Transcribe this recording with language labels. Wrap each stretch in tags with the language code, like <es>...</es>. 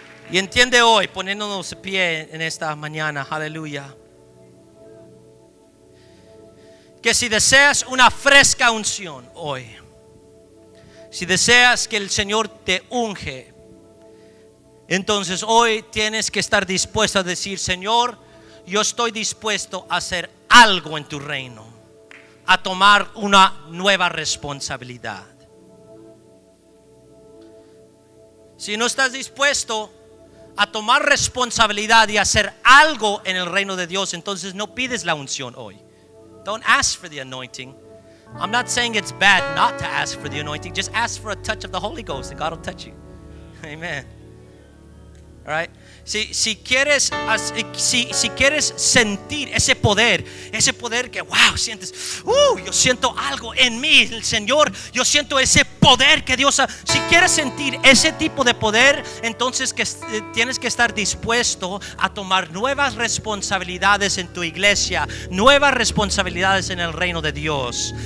<es>Y entiende hoy, poniéndonos de pie en esta mañana, aleluya, que si deseas una fresca unción hoy, si deseas que el Señor te unge, entonces hoy tienes que estar dispuesto a decir: Señor, yo estoy dispuesto a hacer algo en tu reino, a tomar una nueva responsabilidad. Si no estás dispuesto a tomar responsabilidad y hacer algo en el reino de Dios, entonces no pides la unción hoy.</es> <en>Don't ask for the anointing. I'm not saying it's bad not to ask for the anointing. Just ask for a touch of the Holy Ghost and God will touch you. Amen. All right?</en> <es>Si quieres sentir ese poder que wow, sientes, yo siento algo en mí, el Señor, yo siento ese poder que Dios ha. Si quieres sentir ese tipo de poder, entonces que tienes que estar dispuesto a tomar nuevas responsabilidades en tu iglesia, nuevas responsabilidades en el reino de Dios.</es>